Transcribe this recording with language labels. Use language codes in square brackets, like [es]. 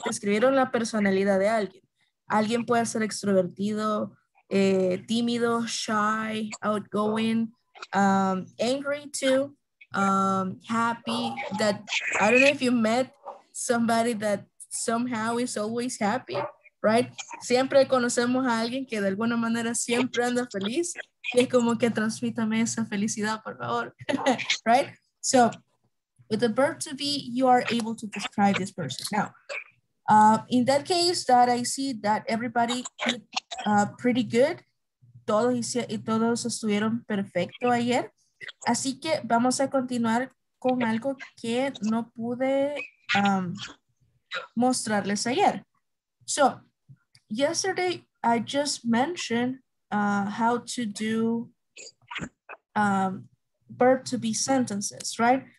[es] Describieron la personalidad de alguien. Alguien puede ser extrovertido, tímido, [en] shy, outgoing, angry too, happy. That I don't know if you met somebody that somehow is always happy, right? [es] Siempre conocemos a alguien que de alguna manera siempre anda feliz. Y es como que transmítame esa felicidad, por favor. [en] Right? So, with the verb to be, you are able to describe this person. Now, in that case, that I see that everybody did pretty good. [es] Todos estuvieron perfecto ayer. Así que vamos a continuar con algo que no pude mostrarles ayer. [en] So, yesterday I just mentioned how to do verb to be sentences, right?